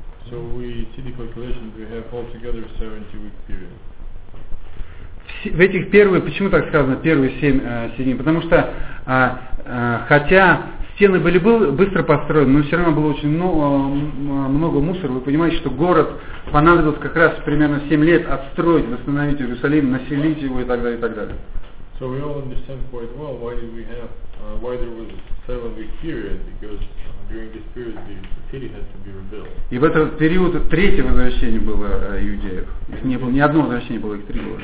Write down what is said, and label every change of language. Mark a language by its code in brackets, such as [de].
[en] So we see the calculations, we have altogether 70-week period. [ru] В этих первые, почему так сказано, первые 7 седьмин? Потому что хотя стены были быстро построены, но все равно было очень много мусора. Вы понимаете, что город понадобился как раз примерно 7 лет отстроить, восстановить Иерусалим, населить его и так далее, и так далее. [en] So we all understand quite well why did we have why there was a 7-week period, because during this period the city had to be rebuilt. [ru] И в этот период третье возвращение было иудеев. Их не было ни одно возвращение, было их три года.